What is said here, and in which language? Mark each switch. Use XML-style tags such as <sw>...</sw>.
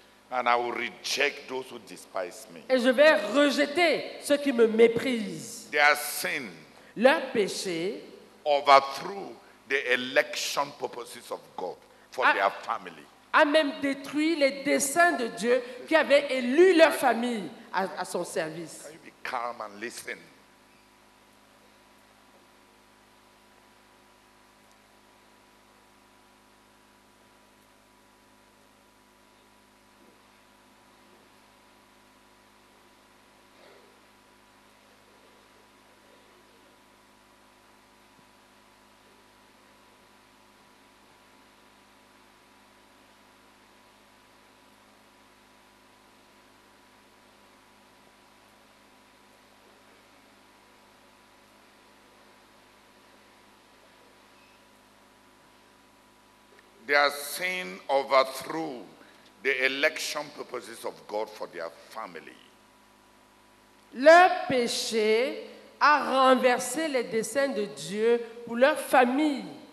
<en>And I will reject those who despise me.</en> <fr>Et je vais rejeter ceux qui me méprisent.</fr> <en>Their sin,</en> <fr>leur péché,</fr> <en>overthrew the election purposes of God for their family.</en> <fr>A même détruit les desseins de Dieu qui avait élu leur famille à son service.</fr> <en>Calm and listen. their sin overthrew the election purposes of God for their family.</en> <fr>Leur péché a renversé les desseins de Dieu pour leur famille.</fr>